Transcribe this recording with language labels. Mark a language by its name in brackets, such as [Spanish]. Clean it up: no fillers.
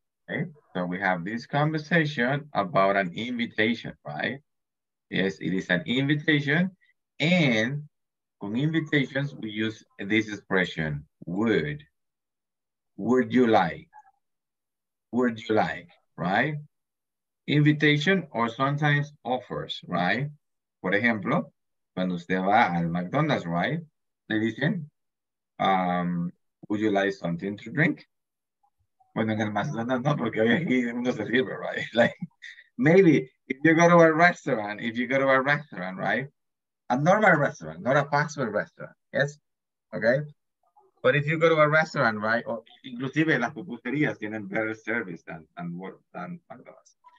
[English] Okay, so we have this conversation about an invitation, right? Yes, it is an invitation. And on invitations, we use this expression, would you like, right? Invitation or sometimes offers, right? [Spanish] Por ejemplo, cuando usted va al McDonald's, right? Le dicen, [English] would you like something to drink? [Spanish] Bueno, en el McDonald's no, porque aquí no se sirve, right? [English] Like, maybe if you go to a restaurant, right? A normal restaurant, not a fast food restaurant, yes? Okay? But if you go to a restaurant, right, or [Spanish] inclusive las pupuserías tienen [English] better service than McDonald's.